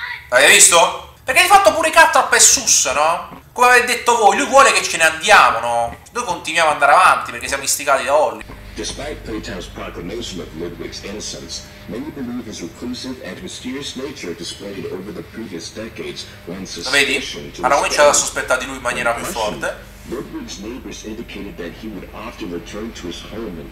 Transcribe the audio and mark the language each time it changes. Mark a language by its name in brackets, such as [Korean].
[Italian] Avete visto? Perché di fatto pure Catnap è sus, no? Come avete detto voi, lui vuole che ce ne andiamo, no? Noi continuiamo ad andare avanti perché siamo istigati da Holly. [English] Despite Playtime's proclamation of Ludwig's innocence, many believe his reclusive and mysterious nature displayed over the previous decades when suspicion to... [Italian] Hanno cominciato a sospettare di lui in maniera più forte. [English] Ludwig's neighbors indicated that he would often return to his home in